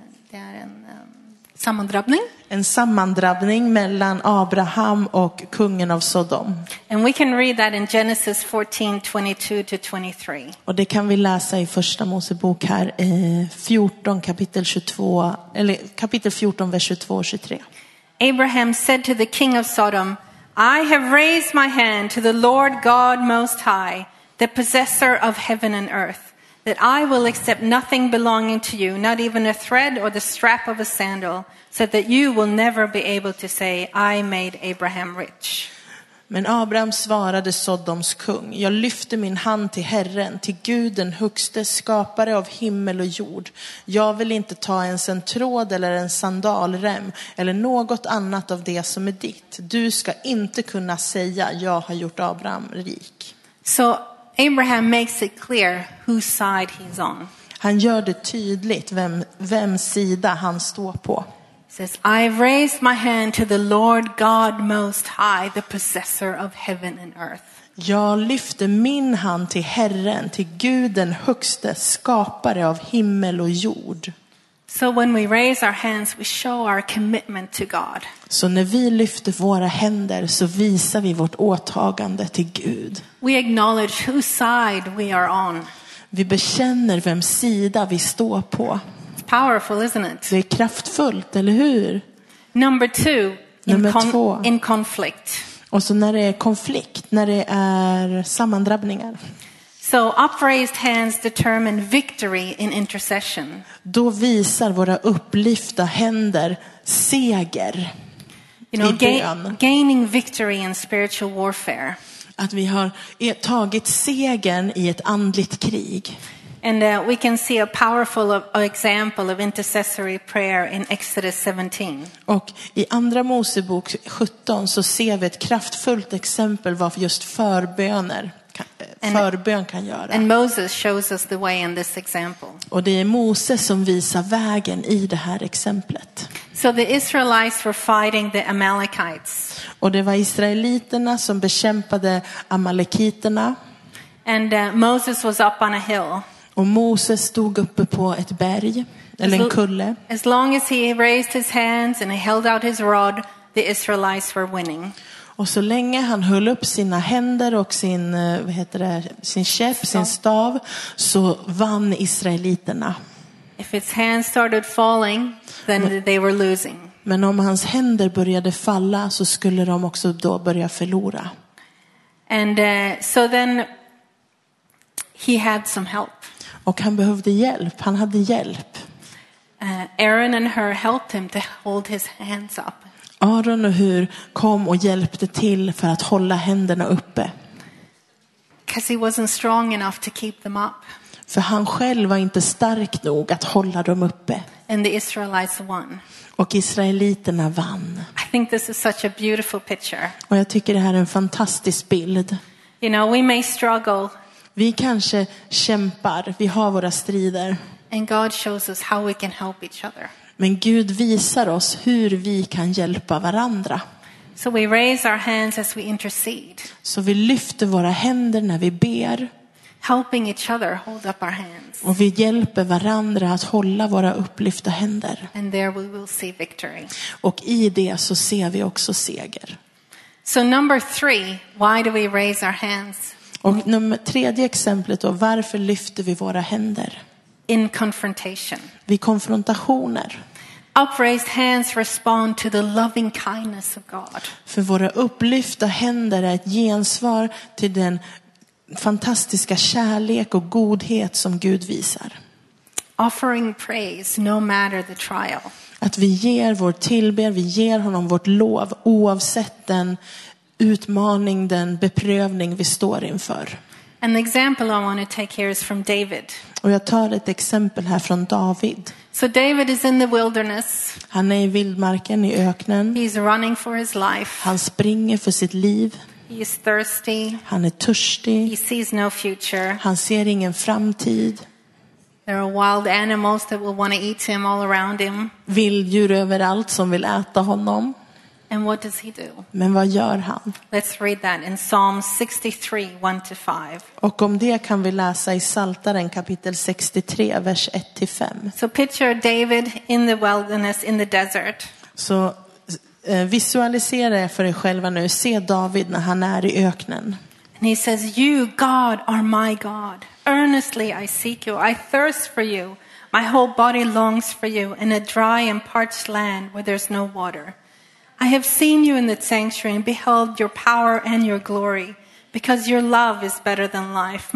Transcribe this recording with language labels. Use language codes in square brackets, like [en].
[sv] Det är en sammandrabbning. En sammandrabbning mellan Abraham och kungen av Sodom. [en] And we can read that in Genesis 14:22-23. [sv] Och det kan vi läsa i första Mosebok här 14 kapitel 22 eller kapitel 14 vers 22-23. [en] Abraham said to the king of Sodom, I have raised my hand to the Lord God most high, the possessor of heaven and earth, that I will accept nothing belonging to you, not even a thread or the strap of a sandal, so that you will never be able to say, I made Abraham rich. [sv] Men Abraham svarade Sodoms kung, jag lyfter min hand till Herren, till Gud den högste, skapare av himmel och jord. Jag vill inte ta ens en tråd eller en sandalrem eller något annat av det som är ditt. Du ska inte kunna säga, jag har gjort Abraham rik. Så [en] Abraham makes it clear whose side he's on. [sv] Han gör det tydligt vem sida han står på. [en] He says, I've raised my hand to the Lord God most high, the possessor of heaven and earth. [sv] Jag lyfter min hand till Herren, till Gud den högste, skapare av himmel och jord. [en] So when we raise our hands, we show our commitment to God. [sv] Så när vi lyfter våra händer så visar vi vårt åtagande till Gud. [en] We acknowledge whose side we are on. [sv] Vi bekänner vem sida vi står på. [en] It's powerful, isn't it? [sv] Det är kraftfullt, eller hur? [en] Number two, in conflict. [sv] Och så när det är konflikt, när det är sammandrabbningar. [en] So upraised hands determine victory in intercession. [sv] Då visar våra upplyfta händer seger. [en] You know, gaining victory in spiritual warfare. [sv] Att vi har tagit segern i ett andligt krig. [en] And we can see a powerful example of intercessory prayer in Exodus 17. [sv] Och i andra Mosebok 17 så ser vi ett kraftfullt exempel vad just förböner. Förbön kan göra. [en] And Moses shows us the way in this example. [sv] Och det är Mose som visar vägen i det här exemplet. [en] So the Israelites were fighting the Amalekites. [sv] Och det var israeliterna som bekämpade amalekiterna. [en] And Moses was up on a hill. [sv] Och Mose stod uppe på ett berg eller en kulle. [en] As long as he raised his hands and he held out his rod, the Israelites were winning. [sv] Och så länge han höll upp sina händer och sin, vad heter det, sin käpp, sin stav, så vann israeliterna. [en] If his hands started falling, then they were losing. [sv] Men om hans händer började falla så skulle de också då börja förlora. [en] And so then he had some help. [sv] Och han behövde hjälp, han hade hjälp. [en] Aaron and her helped him to hold his hands up. [sv] Aaron och Hur kom och hjälpte till för att hålla händerna uppe. [en] Because he wasn't strong enough to keep them up. [sv] För han själv var inte stark nog att hålla dem uppe. [en] And the Israelites won. [sv] Och israeliterna vann. [en] I think this is such a beautiful picture. [sv] Och jag tycker det här är en fantastisk bild. [en] You know, we may struggle. [sv] Vi kanske kämpar, vi har våra strider. [en] And God shows us how we can help each other. [sv] Men Gud visar oss hur vi kan hjälpa varandra. [en] So we raise our hands as we intercede. [sv] Så vi lyfter våra händer när vi ber. [en] Helping each other hold up our hands. [sv] Och vi hjälper varandra att hålla våra upplyfta händer. [en] And there we will see victory. [sv] Och i det så ser vi också seger. [en] So number three, why do we raise our hands? [sv] Och nummer tredje exemplet då, varför lyfter vi våra händer? [en] In confrontation. [sv] Vid konfrontationer. [en] Upraised hands respond to the loving kindness of God. [sv] För våra upplyfta händer är ett gensvar till den fantastiska kärlek och godhet som Gud visar. [en] offering praise no matter the trial. [sv] Att vi ger vår tillber, vi ger honom vårt lov oavsett den utmaning, den beprövning vi står inför. [en] And the example I want to take here is from David. [sv] Och jag tar ett exempel här från David. [en] So David is in the wilderness. [sv] Han är i vildmarken, i öknen. [en] He's running for his life. [sv] Han springer för sitt liv. [en] He is thirsty. [sv] Han är törstig. [en] He sees no future. [sv] Han ser ingen framtid. [en] There are wild animals that will want to eat him all around him. [sv] Vilddjur överallt som vill äta honom. [en] And what does he do? [sv] Men vad gör han? [en] Let's read that in Psalm 63:1-5. [sv] Och om det kan vi läsa i Saltaren kapitel 63 vers 1-5. [en] So picture David in the wilderness in the desert. [sv] Så visualisera för dig själva nu, se David när han är i öknen. [en] And he says, "You God are my God. Earnestly I seek you. I thirst for you. My whole body longs for you in a dry and parched land where there's no water. I have seen you in the sanctuary and beheld your power and your glory, because your love is better than life.